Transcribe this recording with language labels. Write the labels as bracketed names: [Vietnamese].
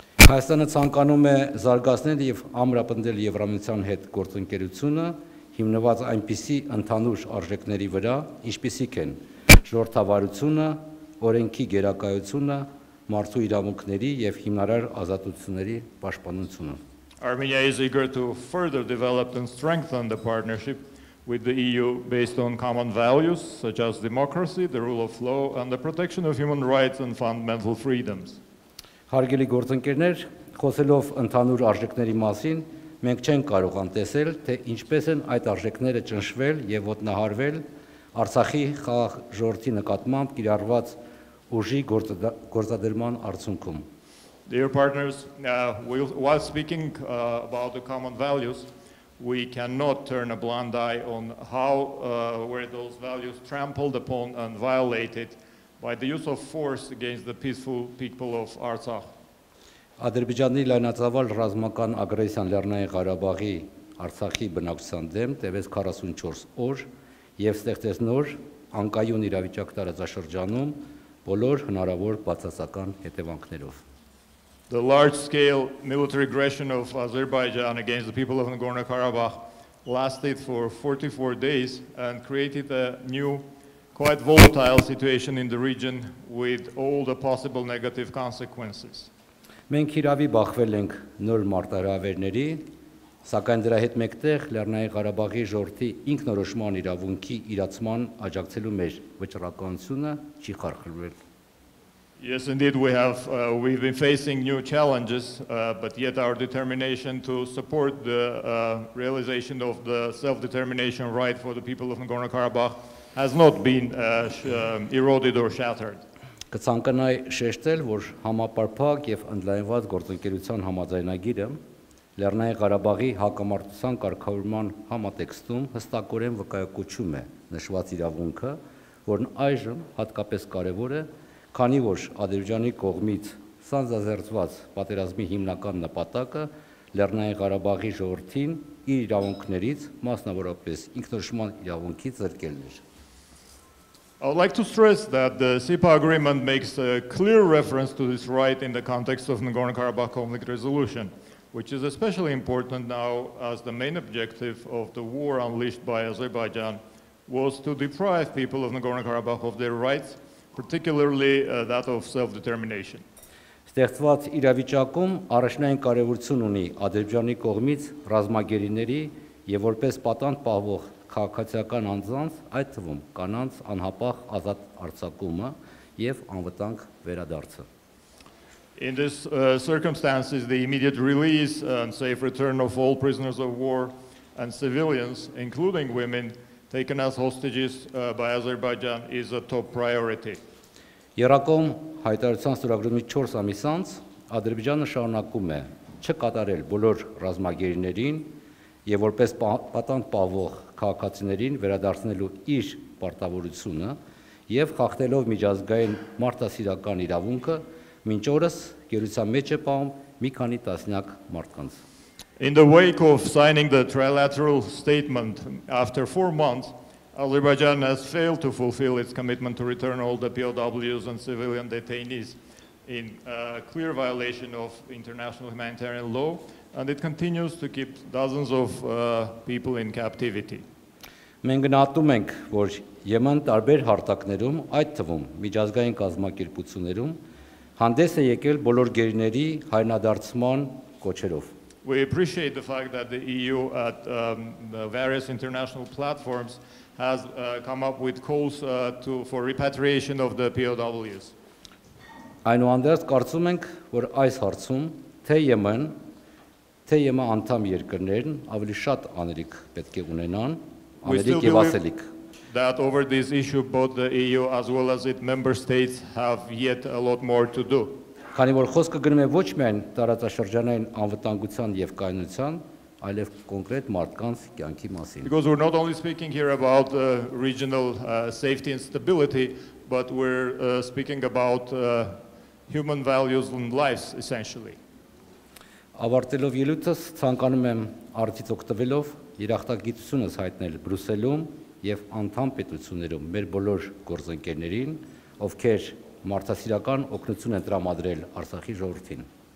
[Armenian] Հայաստանը ցանկանում է զարգացնել եւ ամրապնդել Եվրամիության հետ գործընկերությունը հիմնված այնպիսի ընդհանուր արժեքների վրա, ինչպիսիք են ժողովրդավարությունը, օրենքի գերակայությունը, մարդու իրավունքների եւ հիմնարար ազատությունների պաշտպանությունը։ [English] Armenia is eager to further develop and strengthen the partnership with the EU based on common values such as democracy, the rule of law and the protection of human rights and fundamental freedoms. [Armenian] Հարգելի գործընկերներ, խոսելով ընդհանուր արժեքների մասին, մենք չենք կարող անտեսել, թե ինչպես են այդ արժեքները ճնշվել եւ ոտնահարվել Արցախի խաղաղ ժողովրդի նկատմամբ կիրառված ուժի գործադրման արդյունքում։ [English] Dear partners, while speaking about the common values, we cannot turn a blind eye on how were those values trampled upon and violated by the use of force against the peaceful people of Artsakh. [Armenian] Ադրբեջանի լայնածավալ ռազմական ագրեսիան Լեռնային Ղարաբաղի Արցախի բնակության դեմ տևեց 44 օր եւ ստեղծեց նոր անկայուն իրավիճակ տարածաշրջանում բոլոր հնարավոր բացասական հետևանքներով. [English] The large-scale military aggression of Azerbaijan against the people of Nagorno-Karabakh lasted for 44 days and created a new, quite volatile situation in the region with all the possible negative consequences. [Armenian] Մենք իրավի բախվել ենք նոր մարտահրավերների, սակայն դրա հետ մեկտեղ Լեռնային Ղարաբաղի ժողովրդի ինքնորոշման իրավունքի իրացման աջակցելու մեր վճռականությունը չի խարխլվել. [English] Yes, indeed, we've been facing new challenges, but yet our determination to support the realization of the self-determination right for the people of Nagorno-Karabakh has not been eroded or shattered. [Armenian] Կցանկանայի շեշտել, որ համապարփակ եւ ընդլայնված գործընկերության համաձայնագիրը Լեռնային Ղարաբաղի հակամարտության կարգավորման համատեքստում հստակորեն վկայակոչում է նշված իրավունքը, որն այժմ հատկապես կարևոր է, քանի որ Ադրբեջանի կողմից սանձազերծված պատերազմի հիմնական նպատակը Լեռնային Ղարաբաղի ժողովրդին իր իրավունքներից, մասնավորապես ինքնորոշման իրավունքից զրկելն էր. [English] I would like to stress that the SEPA agreement makes a clear reference to this right in the context of Nagorno-Karabakh conflict resolution, which is especially important now as the main objective of the war unleashed by Azerbaijan was to deprive people of Nagorno-Karabakh of their rights, particularly that of self-determination. [Armenian] Ստեղծված իրավիճակում առաջնային կարևորություն ունի Ադրբեջանի կողմից ռազմագերիների եւ որպես պատանդ պահվող քաղաքացիական անձանց, այդ թվում կանանց անհապաղ ազատ արձակումը եւ անվտանգ վերադարձը. [English] In this circumstances the immediate release and safe return of all prisoners of war and civilians including women taken as hostages by Azerbaijan is a top priority. [Armenian] Երակոմ հայտարարության ստորագրումից 4 ամիս անց Ադրբեջանը շարունակում է չկատարել բոլոր ռազմագերիներին եւ որպես պատանդ պահվող քաղաքացիներին վերադարձնելու իր պարտավորությունը եւ խախտելով միջազգային մարդասիրական իրավունքը մինչ օրս գերության մեջ է պահում մի քանի տասնյակ մարդկանց. [English] In the wake of signing the trilateral statement after 4 months, Azerbaijan has failed to fulfill its commitment to return all the POWs and civilian detainees in clear violation of international humanitarian law. And it continues to keep dozens of people in captivity. [Armenian] Մենք գնահատում ենք, որ ԵՄ-ն տարբեր հարտակներում, այդ թվում միջազգային կազմակերպություններում հանդես է եկել բոլոր գերիների հայնադարձման կոչերով. [English] We appreciate the fact that the EU at various international platforms has come up with calls for repatriation of the POWs. [Armenian] Այնուհանդերձ կարծում ենք, որ այս հարցում թե ԵՄ-ն թե ԵՄ անդամ երկրներն ավելի շատ աներիք պետք է ունենան, աներիք եւ ասելիք. [English] That over this issue both the EU as well as its member states have yet a lot more to do. [Armenian] Քանի որ խոսքը գնում է ոչ միայն տարածաշրջանային անվտանգության եւ կայունության, այլեւ կոնկրետ մարդկանց կյանքի մասին. [English] Because we're not only speaking here about regional safety and stability, but we're speaking about human values and lives essentially. [Armenian] Ավարտելով ելույթս ցանկանում եմ արդից օգտվելով երախտագիտությունս հայտնել Բրյուսելում եւ անդամ պետություններում մեր բոլոր գործընկերներին, ովքեր մարդասիրական օգնություն են տրամադրել Արցախի ժողովրդին։